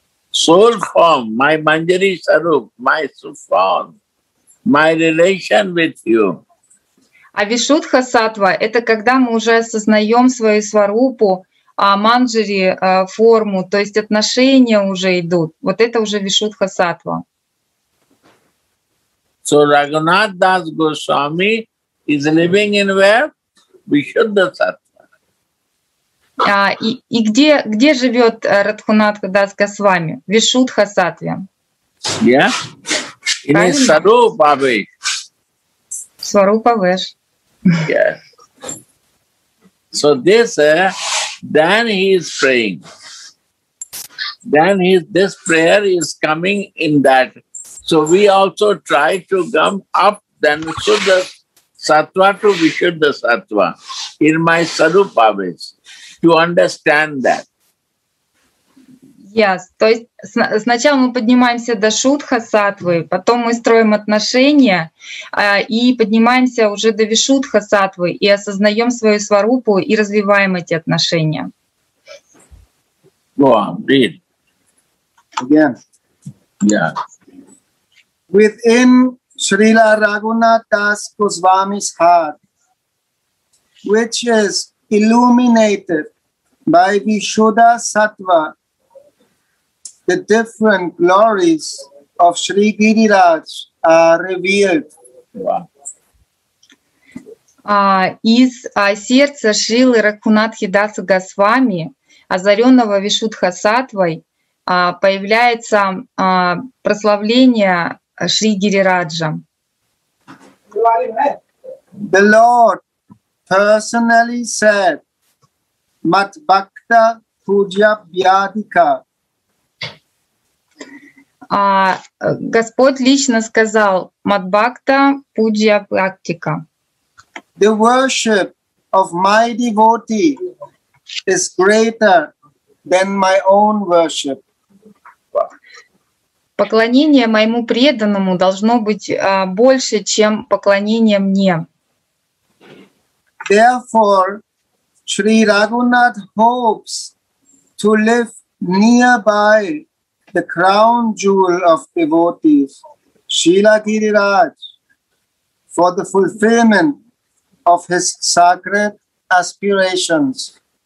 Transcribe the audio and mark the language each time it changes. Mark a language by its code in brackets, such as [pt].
[en] Soul form, my Manjari Sarup, my Sufan. My relation with you. [ru] А Вишудха Сатва — это когда мы уже осознаем свою сварупу, манджари форму, то есть отношения уже идут. Вот это уже Вишудха Сатва. [en] So Raghunath Das Goswami is living in where? [ru] Вишудха Сатва. И где живет Радхунатха Дас Госвами? Вишудха Сатве. [en] Yeah. In his Sarupa Vesh. Sarupa Vesh. Yes. So this, then he is praying. Then this prayer is coming in that. So we also try to come up then Shuddha Sattva to Vishuddha Sattva in my Sarupa Vesh to understand that. Yes. [ru] То есть сначала мы поднимаемся до Шудха Сатвы, потом мы строим отношения и поднимаемся уже до Вишудха Сатвы и осознаем свою сварупу и развиваем эти отношения. [en] Go on, read. Again. Yeah. Within Srila Raghunath Das Goswami's heart, which is illuminated by Vishuddha Sattva, the different glories of Sri Giriraj are revealed. [ru] Из сердца Шрилы Рагхунатхи Даса Госвами, озаренного Вишудха Сатвой, появляется прославление Шри Гирираджа. [en] The Lord personally said, Mat Bhakta Puja Vyadika. [ru] Господь лично сказал «Мадбхакта Пуджья Практика». [en] The worship of my devotee is greater than my own worship. [ru] Поклонение моему преданному должно быть больше, чем поклонение мне. [en] Therefore, Sri Raghunath hopes to live nearby the crown jewel of devotees, Srila Giriraj, for the fulfillment of his sacred aspirations.